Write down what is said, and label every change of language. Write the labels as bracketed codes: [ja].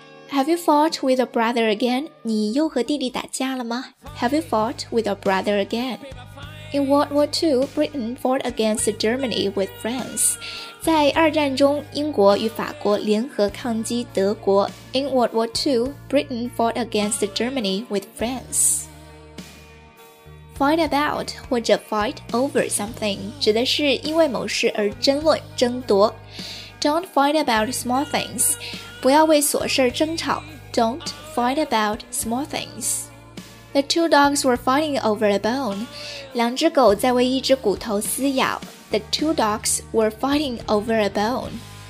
[en] Have you fought with your brother again? [zh] 你又和弟弟打架了吗? [en] Have you fought with your brother again? In World War II, Britain fought against Germany with France. [zh] 在二战中，英国与法国联合抗击德国。 [en] In World War II, Britain fought against Germany with France. [zh] Fight about 或者 fight over something 指的是因为某事而争论、争夺。 [en] Don't fight about small things， [zh] 不要为琐事争吵。 [en] Don't fight about small things. The two dogs were fighting over a bone. [zh] 两只狗在为一只骨头撕咬。 [en] The two dogs were fighting over a bone.